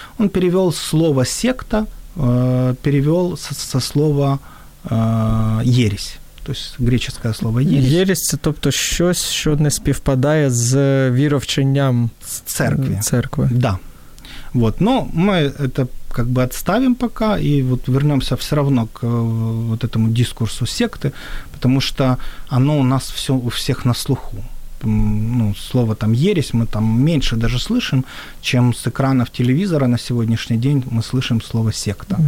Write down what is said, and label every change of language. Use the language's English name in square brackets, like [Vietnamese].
[Russian] Он перевел слово «секта», перевел со слова «ересь». То есть греческое слово ересь. [Ukrainian] Ересь – це, тобто, щось, що не співпадає з віровченням церкви. Церкви. [Russian] Да. Вот. Но мы это как бы отставим пока и вот вернемся все равно к вот этому дискурсу секты, потому что оно у нас все, у всех на слуху. Ну, слово там ересь мы там меньше даже слышим, чем с экранов телевизора на сегодняшний день мы слышим слово секта.